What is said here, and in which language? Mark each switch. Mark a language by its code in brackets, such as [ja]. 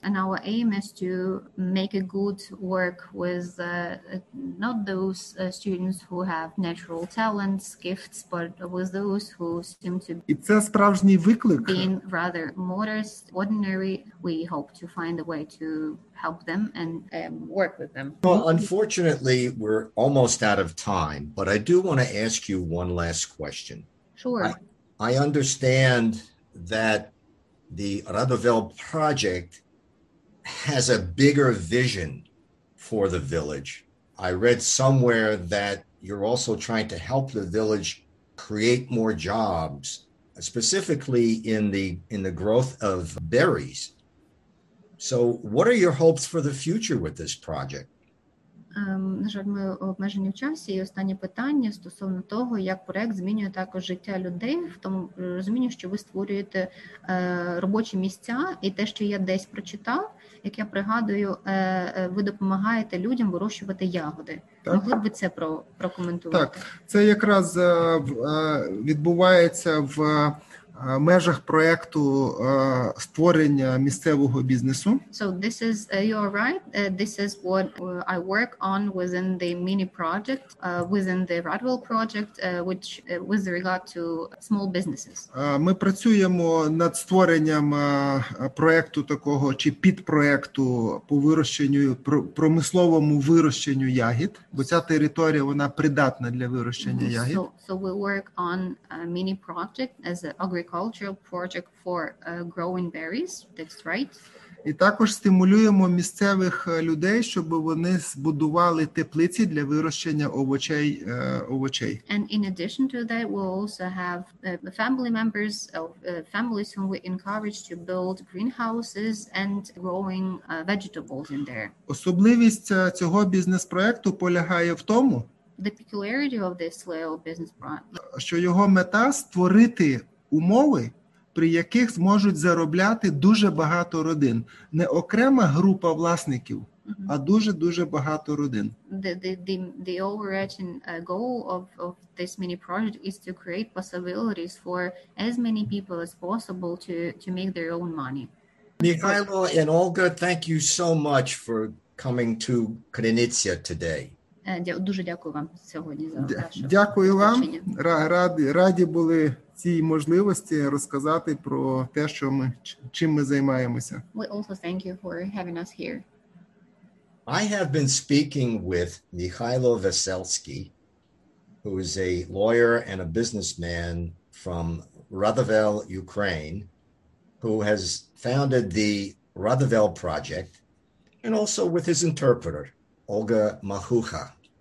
[en] And our aim is to make a good work with not those students who have natural talents, gifts, but with those who seem to [uk] і це справжній виклик. [en] Being rather modest, ordinary, we hope to find a way to help them and work with them. Well, unfortunately, we're almost out of time, but I do want to ask you one last question. Sure. I understand that the Radovel project has a bigger vision for the village. I read somewhere that you're also trying to help the village create more jobs, specifically in the growth of berries. So what are your hopes for the future with this project? [uk] На жаль, ми обмежені в часі. І останнє питання стосовно того, як проект змінює також життя людей, в тому розумінні, що ви створюєте робочі місця, і те, що я десь прочитав, як я пригадую, ви допомагаєте людям вирощувати ягоди. Так. Могли б ви це прокоментувати? Так, це якраз відбувається в межах проекту створення місцевого бізнесу. [en] So this is you are right. This is what I work on within the mini project within the Radwell project which with regard to small businesses. [uk] Ми працюємо над створенням проекту такого чи підпроекту по вирощенню промисловому вирощенню ягід, бо ця територія вона придатна для вирощення ягід. [en] So we work on a mini project as an agricultural project for growing berries, that's right. [uk] І також стимулюємо місцевих людей, щоб вони збудували теплиці для вирощення овочей. [en] And in addition to that, we also have family members, families whom we encourage to build greenhouses and growing vegetables in there. [uk] Особливість цього бізнес-проекту полягає в тому, [en] the peculiarity of this little business brand, [uk] що його мета створити умови, при яких зможуть заробляти дуже багато родин, не окрема група власників, а дуже-дуже багато родин. [en] The overarching goal of this mini project is to create possibilities for as many people as possible to make their own money. Mihailo and Olga, thank you so much for coming to Криниця today. [uk] Дуже дякую вам сьогодні за ваше. Дякую вам. Раді були цій можливості розказати про те, що ми чим ми займаємося. [en] We also thank you for having us here. I have been speaking with Mihailo Veselsky, who is a lawyer and a businessman from Radovel, Ukraine, who has founded the Radovel project, and also with his interpreter, Olga Mahucha.